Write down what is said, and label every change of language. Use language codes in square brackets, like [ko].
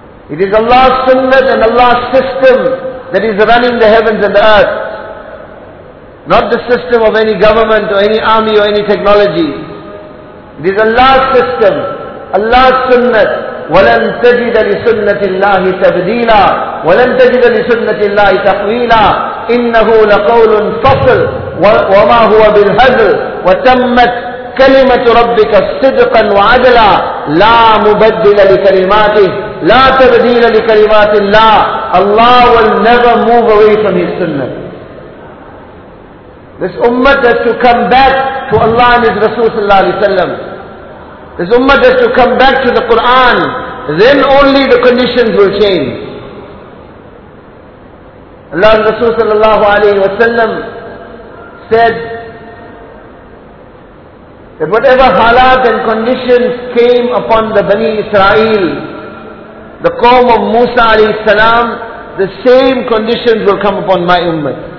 [en] It is Allah's sunnah and Allah's system that is running the heavens and the earth, not the system of any government or any army or any technology. It is Allah's system, Allah's sunnah. [ar] وَلَن تَجِدَ لِسُنَّةِ اللَّهِ تَبْدِيلًا وَلَن تَجِدَ لِسُنَّةِ اللَّهِ تَحْوِيلًا إِنَّهُ لَقَوْلٌ فَصْلٌ وَمَا هُوَ بِالْهَزْلِ وَتَمَّتْ كَلِمَةُ رَبِّكَ صِدْقًا وَعَدْلًا لَا مُبَدِّلَ لِكَلِمَاتِهِ لَا تَبْدِيلَ لِكَلِمَاتِ اللَّهِ [en] Allah will never move away from His sunnah. This ummah has to come back to Allah and His Rasul sallallahu alayhi wa sallam. This ummah has to come back to the Quran, then only the conditions will change. Allah's Rasul sallallahu alayhi wa sallam said that whatever halat and conditions came upon the Bani Israel, the Qawm of Musa alayhi salam, the same conditions will come upon my ummah.